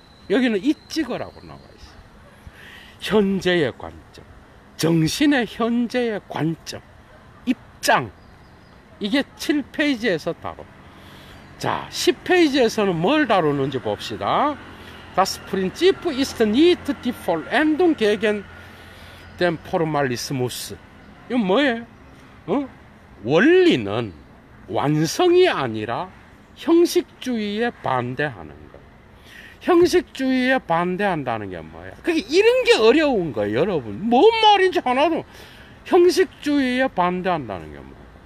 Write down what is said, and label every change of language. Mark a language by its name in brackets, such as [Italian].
[Korean] 여기는 이찍어라고 나와 있어. 현재의 관점. 정신의 현재의 관점. 입장. 이게 7페이지에서 다뤄. 자, 10페이지에서는 뭘 다루는지 봅시다. [German] Das Prinzip ist nicht die Vollendung gegen den Formalismus. [Korean] 이건 뭐예요? 원리는 완성이 아니라 형식주의에 반대하는 거예요. 형식주의에 반대한다는 게 뭐예요? 그게 이런 게 어려운 거예요, 여러분. 뭔 말인지 하나도. 형식주의에 반대한다는 게 뭐예요?